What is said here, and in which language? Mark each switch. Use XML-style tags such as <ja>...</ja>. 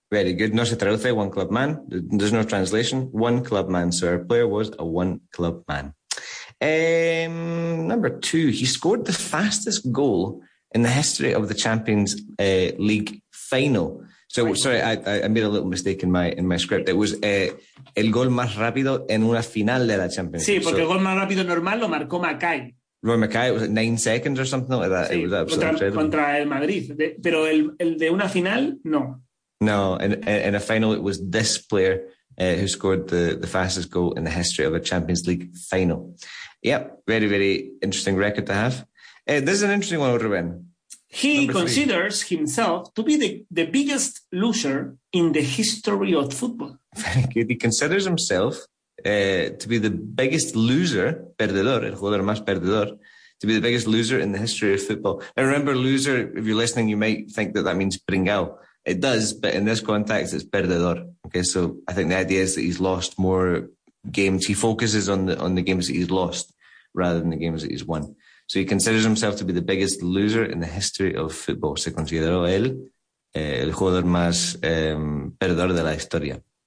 <en>Very good.</en> <es>No se traduce,</es> <en>one club man. There's no translation. One club man. So our player was a one club man. Number two. He scored the fastest goal in the history of the Champions League final. So, sorry, I made a little mistake in my script. It was</en> <es>el gol más rápido en una final de la Champions League. Sí, porque el gol más rápido normal lo marcó Mackay.</es> <en>Roy Mackay, it was like 9 seconds or something like that. Sí, it was absolutely</en> <es>contra,</es> <en>incredible.</en> <es>Contra el Madrid. Pero el de una final, no.</es> <en>No, in a final, it was this player who scored the fastest goal in the history of a Champions League final. Yep, very, very interesting record to have. This is an interesting one, Ruben. He considers himself to be the biggest loser in the history of football. Very good. He considers himself to be the biggest loser,</en> <es>perdedor, el jugador más perdedor,</es> <en>to be the biggest loser in the history of football. And remember, loser, if you're listening, you might think that means pringao. It does, but in this context, it's perdedor. Okay, so I think the idea is that he's lost more games. He focuses on the games that he's lost rather than the games that he's won. So he considers himself to be the biggest loser in the history of football.</en> <es>Se consideró él el jugador más perdedor de la historia.</es>